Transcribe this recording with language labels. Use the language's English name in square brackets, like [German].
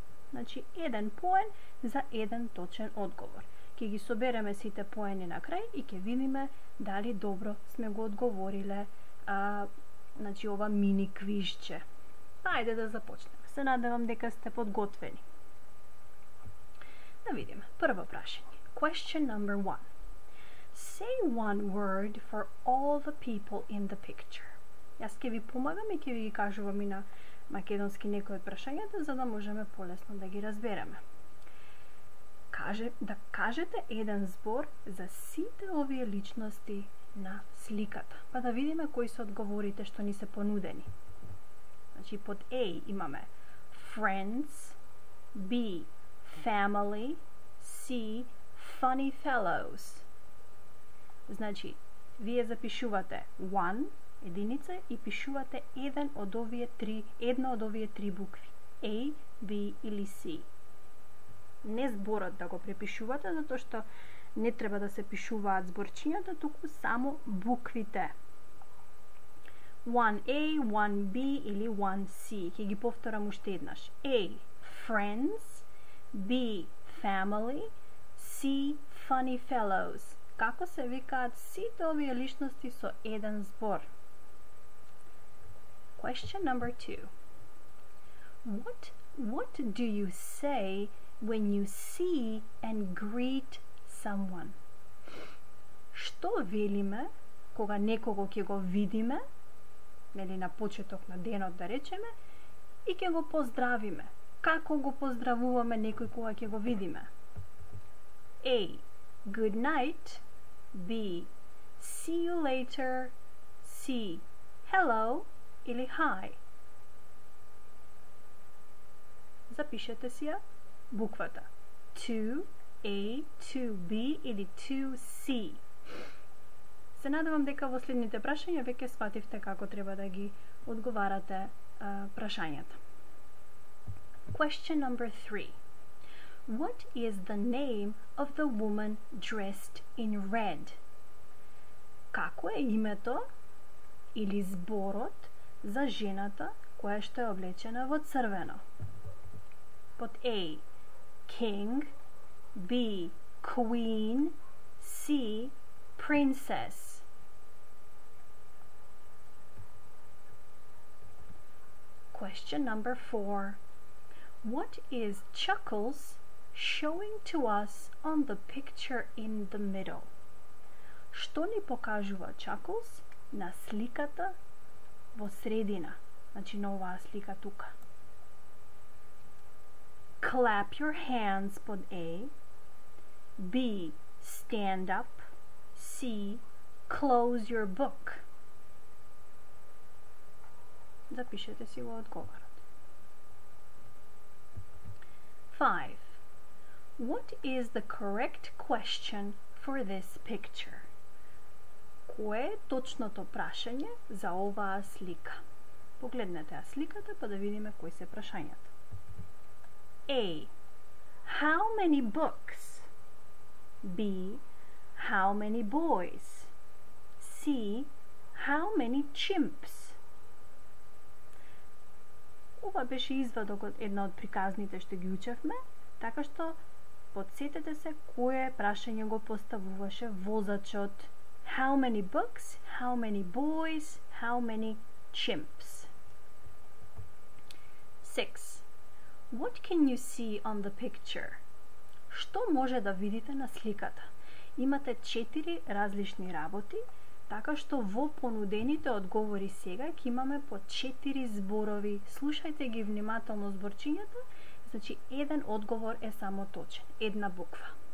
[Macedonian] Значи, еден поен за еден точен одговор. Ќе ги собереме сите поени на крај и ќе видиме дали добро сме го одговориле, значи, ова мини квизче. Ајде да започнеме. Се надевам дека сте подготвени. Да видиме. Прво прашање. [English] Question number one. Say one word for all the people in the picture. [Macedonian] Јас ќе ви помагам и ќе ви кажувам и на македонски некои од прашањата, за да можеме полесно да ги разбереме. Да кажете еден збор за сите овие личности на сликата. Па да видиме кои се одговорите што ни се понудени. Значи, под [English] A [Macedonian] имаме [English] friends, B family, C funny fellows. [Macedonian] Значи, вие запишувате [English] one [Macedonian] единица и пишувате една од овие три букви. A, B или C. Не зборот да го препишувате, затоа што не треба да се пишуваат зборчињата, туку само буквите. 1A, 1B или 1C. Ке ги повторам уште еднаш. [English] A, friends. B, family. C, funny fellows. [Macedonian] Како се викаат сите овие личности со еден збор? [English] Question number 2. What do you say when you see and greet someone? [Macedonian] Што велиме кога некого ќе го видиме, или на почеток на денот да речеме, и ќе го поздравиме? како го поздравуваме некој кога ќе го видиме? [English] A. Good night. B. See you later. C. Hello. [Macedonian] Или [English] hi. [Macedonian] Запишете си ја буквата. 2A, 2B или 2C. Се надевам дека во следните прашања веќе сфативте како треба да ги одговарате прашањата. [English] Question number 3. What is the name of the woman dressed in red? [Macedonian] Како е името или зборот за жената која што е облечена во црвено? Под [English] A. King. B. Queen. C. Princess. Question number 4. What is Chuckles showing to us on the picture in the middle? [Macedonian] Што ни покажува Chuckles на сликата во средина, значи на оваа слика тука? [English] Clap your hands [Macedonian] под [English] A. B. Stand up. C. Close your book. [Macedonian] Запишете си во одговорот. 5. [English] What is the correct question for this picture? [Macedonian] Кое е точното прашање за оваа слика? Погледнете ја сликата па да видиме кои се прашањата. [English] A. How many books? B. How many boys? C. How many chimps? [Macedonian] Ова беше извадок од една од приказните што ги учевме, така што подсетете се кое прашање го поставуваше возачот. [English] How many books? How many boys? How many chimps? 6. What can you see on the picture? [Macedonian] Што може да видите на сликата? Имате 4 различни работи, така што во понудените одговори сега ќе имаме по 4 зборови. Слушајте ги внимателно зборчињата, значи еден одговор е само точен, една буква.